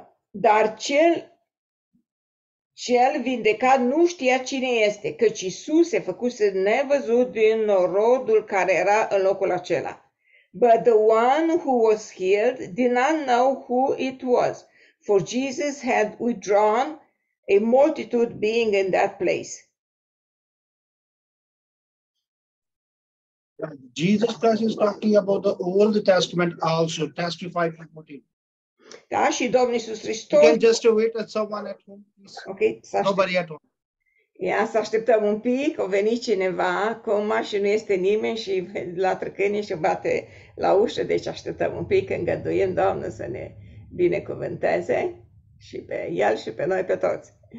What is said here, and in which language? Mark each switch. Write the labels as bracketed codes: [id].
[ro] Dar cel vindecat nu știa cine este, căci Iisus se făcuse nevăzut din norodul care era în locul acela. [en] But the one who was healed did not know who it was, for Jesus had withdrawn, a multitude being in that place. Jesus Christ is talking about the Old Testament also, testified for him. [ro] Da, și Domnul Iisus Hristos. [en] You can just wait at someone at home, please. [ro] Okay, să aștept. [en] Nobody at home. [ro] Ia să așteptăm un pic, o veni cineva, acum și nu este nimeni și la trăcânie și bate la ușă, deci așteptăm un pic, îngăduim Domnul să ne binecuvânteze și pe El și pe noi, pe toți.